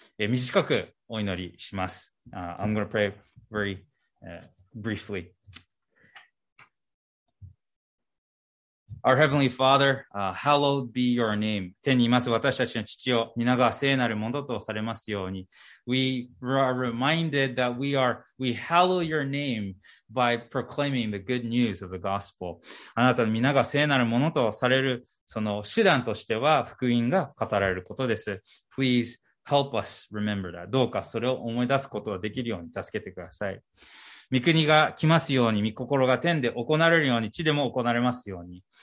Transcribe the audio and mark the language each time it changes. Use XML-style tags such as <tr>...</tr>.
<ja>短くお祈りします。</ja> <en>I'm going to pray very briefly. Our Heavenly Father, hallowed be your name.</en> <ja>天にいます私たちの父よ、皆が聖なるものとされますように。</ja> <en>We are reminded that we hallow your name by proclaiming the good news of the gospel.</en> <ja>あなたの皆が聖なるものとされるその手段としては福音が語られることです。</ja> <en>Please help us remember that.</en> <ja>どうかそれを思い出すことができるように助けてください。御国が来ますように、御心が天で行われるように、地でも行われますように。</ja>